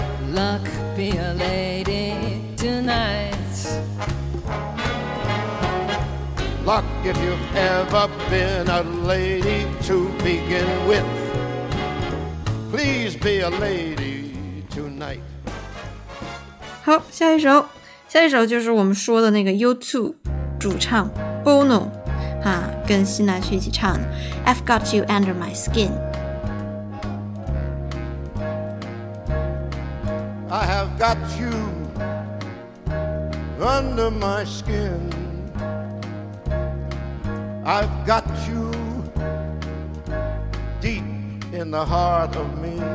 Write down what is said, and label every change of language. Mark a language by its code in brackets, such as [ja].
[en] Luck be a lady tonight. Luck, if you've ever been a lady to begin with, please be a lady tonight. [zh] 好，下一首，下一首就是我们说的那个 U2 主唱 Bono 啊，跟辛纳屈一起唱的 I've Got You Under My Skin. [en] I have got you under my skinI've got you deep in the heart of me.